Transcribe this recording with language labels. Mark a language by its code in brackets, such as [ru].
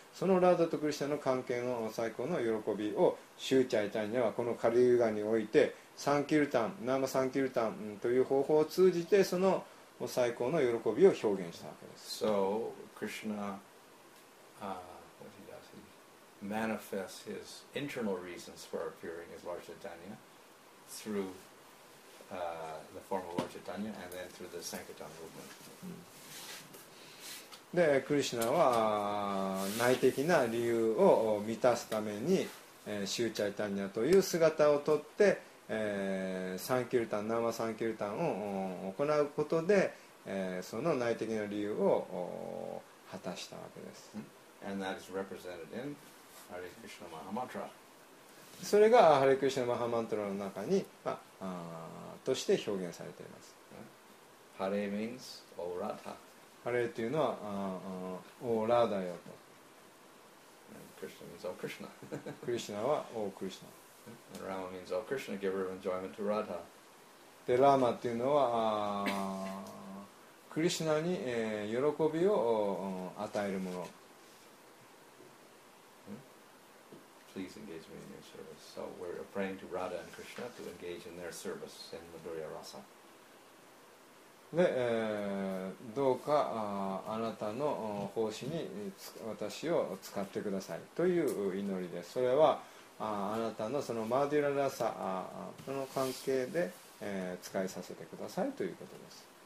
[ja] そのラーダとクリシナの関係の最高の喜びをシューチャイタンにはこのカリユーガにおいてサンキルタン、ナーマサンキルタンという方法を通じてその最高の喜びを表現したわけです。 [en] So Krishna what he does, he manifests his internal reasons for appearing as Lord ChaitanyaThrough the form of Lord Chaitanya and then through the Sankirtan movement. [ja] で、クリシナは内的な理由を満たすために、シューチャイタニアという姿をとって、サンキルタン、ナーマサンキルタンを行うことで、その内的な理由を果たしたわけです。 [en] And that is represented in Hare Krishna Mahamantra. [ja] それがハレクリシナマハマントラの中に、まあ、として表現されています。 [en] ハレ means オーラダ、 [ja] ハレというのはオーラダよと。 [en] クリシナ means オークリシナ、 [ja] クリシナはオークリシナ。 [en] ラマ means オークリシナ giver of enjoyment to ラダ。 [ja] でラマというのはクリシナに、喜びを与えるもの。 [en] Please engage me in your service. So we're praying to Radha and Krishna to engage in their service in Madhurya Rasa. [ja] で、どうか、あなたの奉仕に私を使ってくださいという祈りです。それは、あなたのそのマディラ・ラサの関係で、使いさせてくださいということです。